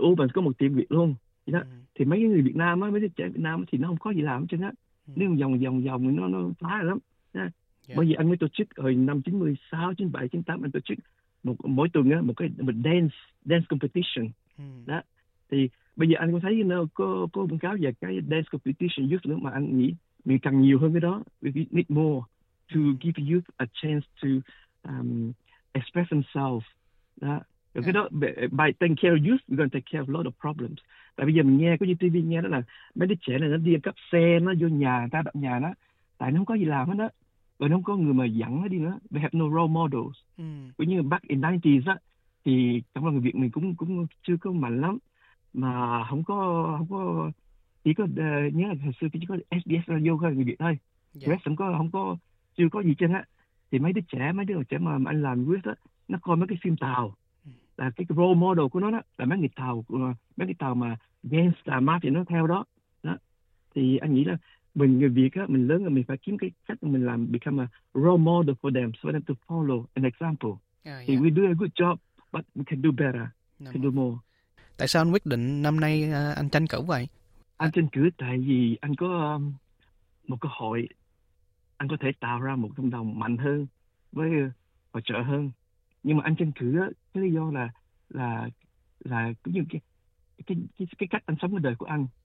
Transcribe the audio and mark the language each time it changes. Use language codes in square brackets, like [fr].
[vi] Albans có một tiệm Việt luôn đó. Thì mấy người Việt Nam á, mấy đứa trẻ Việt Nam thì nó không có gì làm cho nó, nếu vòng vòng vòng thì nó phá lắm đó. Bởi vì anh mới tổ chức hồi năm 96, 97, 98 anh tổ chức mỗi tuần á, một dance dance competition đó. Thì bây giờ anh có thấy nó có quảng cáo về cái dance competition youth nữa, mà anh nghĩ mình cần nhiều hơn cái đó. [en] We need more to give youth a chance to express themselves đó. [vi] Rồi cái đó, [en] by taking care of youth, we're going to take care of a lot of problems. [vi] Tại bây giờ mình nghe, có như TV nghe đó, là mấy đứa trẻ này nó đi cắp xe, nó vô nhà, ta đập nhà nó, tại nó không có gì làm hết đó. Rồi nó không có người mà dẫn nó đi nữa. [en] We have no role models. [vi] Cũng như [en] back in 90s [vi] á, thì trong lòng người Việt mình cũng cũng chưa có mạnh lắm. Mà không có chỉ có nhớ là hồi xưa chỉ có SBS Radio thôi, người Việt thôi. Rest không có chưa có gì trên á. Thì mấy đứa trẻ mà anh làm quyết á, nó coi mấy cái phim tàu, là cái role model của nó đó, là mấy cái tàu mà gangster mafia thì nó theo đó đó. Thì anh nghĩ là mình người Việt á, mình lớn rồi mình phải kiếm cái cách mình làm [en] become a role model for them, so them to follow an example. Thì we do a good job, but we can do better, can do more. [vi] Tại sao anh quyết định năm nay anh tranh cử vậy? Anh tranh cử tại vì anh có một cơ hội, anh có thể tạo ra một cộng đồng mạnh hơn với hỗ trợ hơn. Nhưng mà anh tranh cử á, cái lý do là cũng như cái cách anh sống cái đời của anh.